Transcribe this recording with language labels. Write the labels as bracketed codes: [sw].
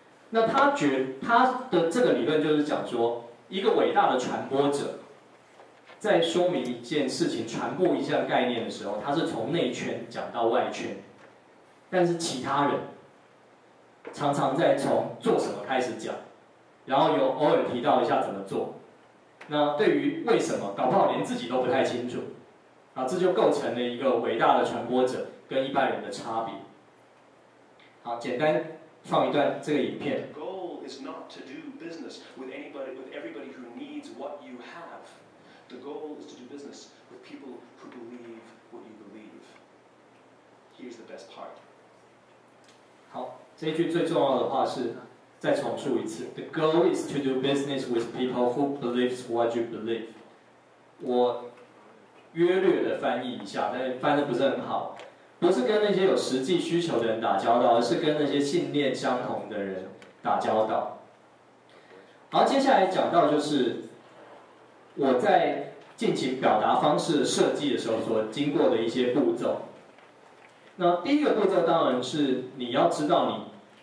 [zh] 那他的这个理论就是讲说，一个伟大的传播者在说明一件事情、传播一项概念的时候，他是从内圈讲到外圈，但是其他人常常在从做什么开始讲，然后有偶尔提到一下怎么做，那对于为什么搞不好连自己都不太清楚，啊，这就构成了一个伟大的传播者跟一般人的差别。好，简单放一段这个影片。 [en] The goal is not to do business with anybody, with everybody who needs what you have. The goal is to do business with people who believe what you believe. Here's the best part. [zh] 好，这一句最重要的话是再重述一次。 [en] The goal is to do business with people who believes what you believe. [zh] 我约略的翻译一下，但翻得不是很好。不是跟那些有实际需求的人打交道，而是跟那些信念相同的人打交道。好，接下来讲到就是我在进行表达方式设计的时候所经过的一些步骤。那第一个步骤当然是你要知道你